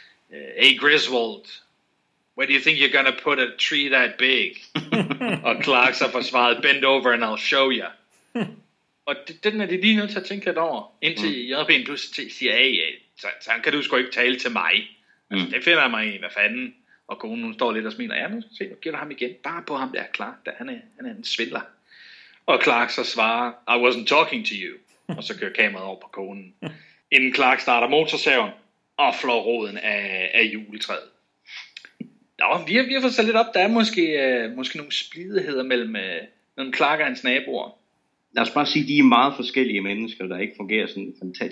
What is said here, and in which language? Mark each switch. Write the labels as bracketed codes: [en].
[en] Hey Griswold, where do you think you're gonna put a tree that big? [da] Og Clark så forsvaret, [en] bend over and I'll show you. [da] Og den er det lige nødt til at tænke lidt over, indtil Jørgen pludselig siger, så kan du sgu ikke tale til mig. Altså, det finder jeg mig i, hvad fanden. Og konen hun står lidt og smiler, ja, nu se, nu giver du ham igen, bare på ham der, Clark, der, han er en svindler. Og Clark så svarer, [en] I wasn't talking to you. [da] Og så kører kameraet over på konen. Inden Clark starter motorsaven, og flår roden af juletræet. Nå, vi har fået sat lidt op. Der er måske nogle splidigheder mellem Clark og hans naboer. Lad os bare sige, de er meget forskellige mennesker, der ikke fungerer sådan fantastisk.